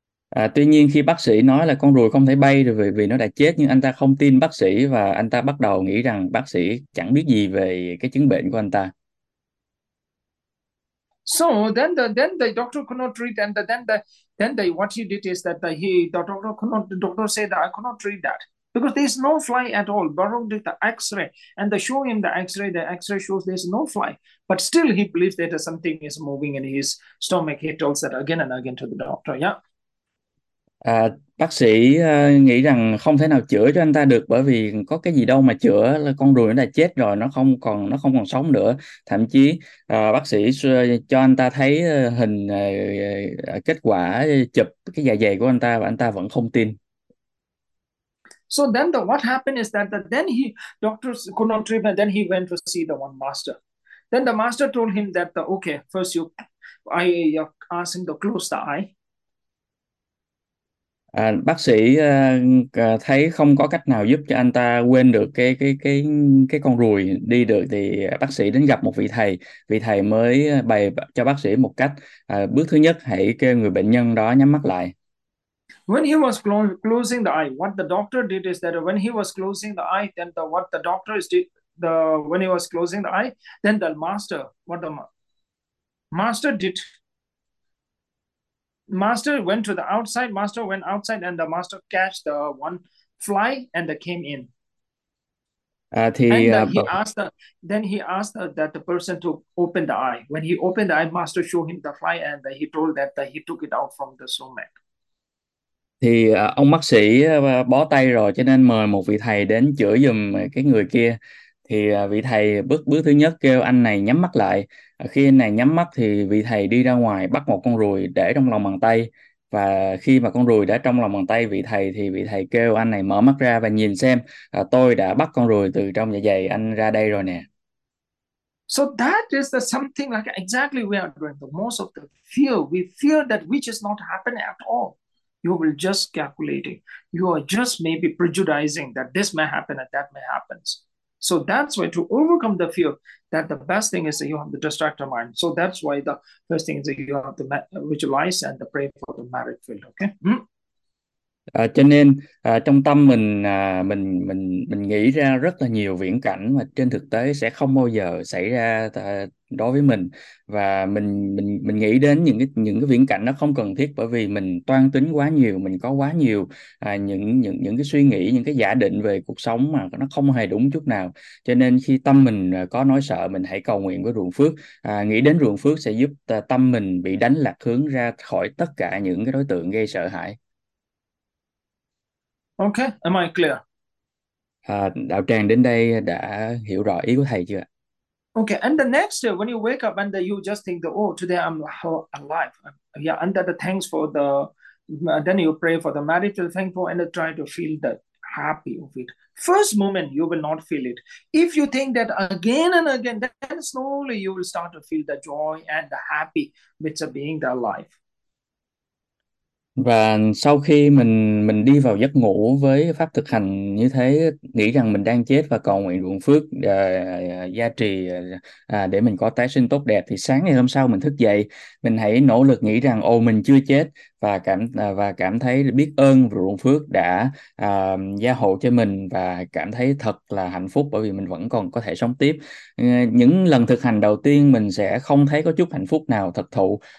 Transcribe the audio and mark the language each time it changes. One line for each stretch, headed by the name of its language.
Vietnamese: À, tuy nhiên khi bác sĩ nói là con ruồi không thể bay rồi vì nó đã chết, nhưng anh ta không tin bác sĩ và anh ta bắt đầu nghĩ rằng bác sĩ chẳng biết gì về cái chứng bệnh của anh ta.
English: So then the doctor could not treat and then the what he did is that the doctor said that I could not treat that. Because there's no fly at all. Baron did the X-ray and they show him the X-ray shows there's no fly. But still he believes that something is moving in his stomach. He tells that again and again to the doctor, yeah.
Vietnamese: À, bác sĩ nghĩ rằng không thể nào chữa cho anh ta được, bởi vì có cái gì đâu mà chữa, là con ruồi nó đã chết rồi, nó không còn sống nữa. Thậm chí bác sĩ cho anh ta thấy hình kết quả chụp cái dạ dày của anh ta và anh ta vẫn không tin.
English: So then the what happened is that then he doctors could not treat and then he went to see the one master. Then the master told him that the okay, first you ask him to close the eye.
Vietnamese: À, bác sĩ thấy không có cách nào giúp cho anh ta quên được cái con ruồi đi được, thì bác sĩ đến gặp một vị thầy. Vị thầy mới bày cho bác sĩ một cách. Bước thứ nhất, hãy kêu người bệnh nhân đó nhắm mắt lại.
English: When he was closing the eye, what the doctor did is that when he was closing the eye, then the what the doctor is did the when he was closing the eye, then the master, what the master did, master went to the outside, master went outside and the master catch the one fly and they came in. À, And
Vietnamese: thì
English: he asked the, then he asked the, that the person to open the eye. When he opened the eye, master showed him the fly and he told that he took it out from the stomach.
Vietnamese: ông bác sĩ bó tay rồi, cho nên mời một vị thầy đến chữa giùm cái người kia. Thì vị thầy bước bước thứ nhất kêu anh này nhắm mắt lại. Khi anh này nhắm mắt thì vị thầy đi ra ngoài bắt một con ruồi để trong lòng bàn tay. Và khi mà con ruồi đã trong lòng bàn tay vị thầy thì vị thầy kêu anh này mở mắt ra và nhìn xem, tôi đã bắt con ruồi từ trong dạ dày anh ra đây rồi nè.
English: So that is the something like exactly we are doing the most of the fear. We fear that which is not happening at all. You will just calculating. You are just maybe prejudicing that this may happen and that may happen. So that's why to overcome the fear, that the best thing is that you have to distract your mind. So that's why the first thing is that you have to visualize and pray for the marriage field. Okay.
Vietnamese: Cho nên trong tâm mình nghĩ ra rất là nhiều viễn cảnh mà trên thực tế sẽ không bao giờ xảy ra đối với mình, và mình nghĩ đến những cái viễn cảnh nó không cần thiết, bởi vì mình toan tính quá nhiều, mình có quá nhiều những cái suy nghĩ, những cái giả định về cuộc sống mà nó không hề đúng chút nào. Cho nên khi tâm mình có nỗi sợ, mình hãy cầu nguyện với ruộng phước. Nghĩ đến ruộng phước sẽ giúp tâm mình bị đánh lạc hướng ra khỏi tất cả những cái đối tượng gây sợ hãi.
English: Okay, am I clear?
Vietnamese: Đạo tràng đến đây đã hiểu rõ ý của thầy chưa ạ?
English: Okay, and the next day when you wake up and you just think that, oh, today I'm alive. Yeah, and that the thanks for the then you pray for the marriage to thankful and try to feel the happy of it. First moment you will not feel it. If you think that again and again, then slowly you will start to feel the joy and the happy with being the alive.
Vietnamese: Và sau khi mình đi vào giấc ngủ với pháp thực hành như thế, nghĩ rằng mình đang chết và cầu nguyện ruộng phước gia trì để mình có tái sinh tốt đẹp, thì sáng ngày hôm sau mình thức dậy, mình hãy nỗ lực nghĩ rằng ồ, mình chưa chết, và cảm thấy biết ơn ruộng phước đã gia hộ cho mình, và cảm thấy thật là hạnh phúc bởi vì mình vẫn còn có thể sống tiếp. Những lần thực hành đầu tiên mình sẽ không thấy có chút hạnh phúc nào thật thụ,